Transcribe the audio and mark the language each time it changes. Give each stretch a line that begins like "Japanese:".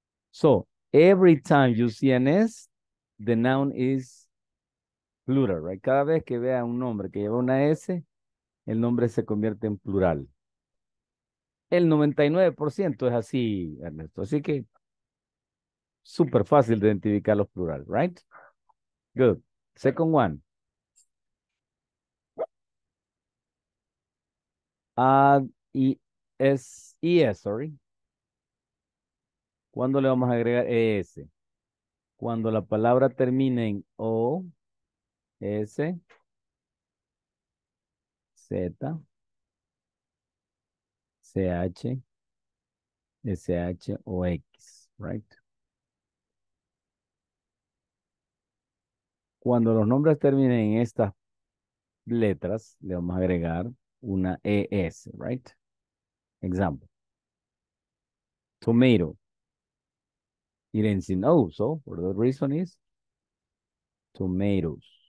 English: So, every time you see an S, the noun is plural, right?
Spanish: Cada vez que vea un nombre que lleva una S, el nombre se convierte en plural. El 99% es así, Ernesto. Así que, super fácil de identificar los plurales, right? Good.
English: Second one. Sorry.
Spanish: ¿Cuándo le vamos a agregar ES? Cuando la palabra termine en O, S, Z, CH, SH o X, right? Cuando los nombres terminen en estas letras, le vamos a agregar una ES, right?
English: Example. Tomato. It ends in O, so for that reason is tomatoes.